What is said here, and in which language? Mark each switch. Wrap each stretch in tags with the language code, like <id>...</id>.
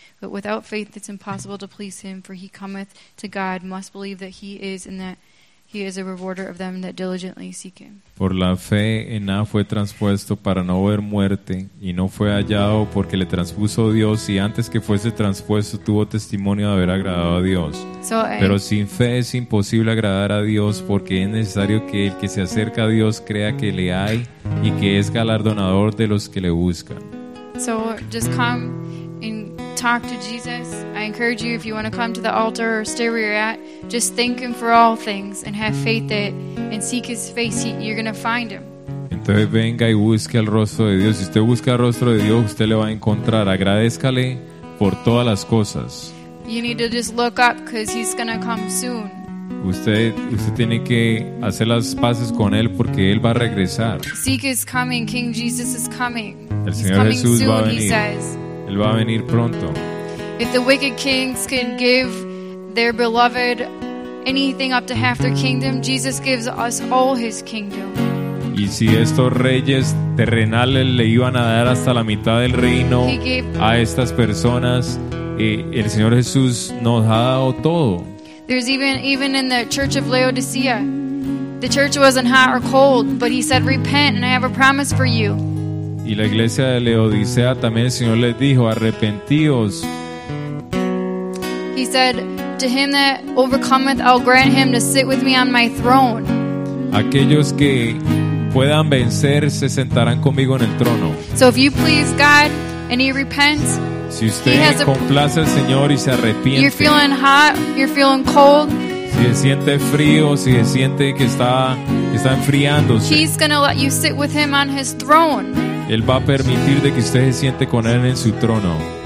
<en>But without faith it's impossible to please him, for he cometh to God must believe that he is and that he is a rewarder of them that diligently seek him.</en> <es>Por la fe Enoch fue traspuesto para no ver muerte, y no fue hallado porque le transpuso Dios, y antes que fuese traspuesto tuvo testimonio de haber agradado a Dios. Pero sin fe es imposible agradar a Dios, porque es necesario que el que se acerca a Dios crea que le hay y que es galardonador de los que le buscan.</es> <en>So just come and talk to Jesus. I encourage you, if you want to come to the altar or stay where you're at, just thank him for all things and have faith that and seek his face, you're going to find him.</en> <es>Entonces venga y busque el rostro de Dios. Si usted busca el rostro de Dios, usted le va a encontrar. Agradézcale por todas las cosas.</es> <en>You need to just look up because he's going to come soon.</en> <es>Usted tiene que hacer las paces con él porque él va a regresar.</es> <en>Seek his coming. King Jesus is coming.</en> <es>El Señor Jesús va a venir. Él va a venir pronto.</es> <en>If the wicked kings can give their beloved anything up to half their kingdom, Jesus gives us all his kingdom.</en> <es>Y si estos reyes terrenales le iban a dar hasta la mitad del reino a estas personas, el Señor Jesús nos ha dado todo.</es> <en>There's even in the church of Laodicea, the church wasn't hot or cold, but he said, repent and I have a promise for you.</en> <es>Y la iglesia de Laodicea también el Señor les dijo, arrepentíos.</es> <en>He said, to him that overcometh, I'll grant him to sit with me on my throne.</en> <es>Aquellos que puedan vencer se sentarán conmigo en el trono.</es> <en>So if you please God and he repents,</en> <es>si usted complace al Señor y se arrepiente,</es> <en>you're feeling hot, you're feeling cold,</en> <es>si se siente frío, si se siente que está enfriándose,</es> <en>he's gonna let you sit with him on his throne.</en> <es>Él va a permitir de que usted se siente con él en su trono.</es>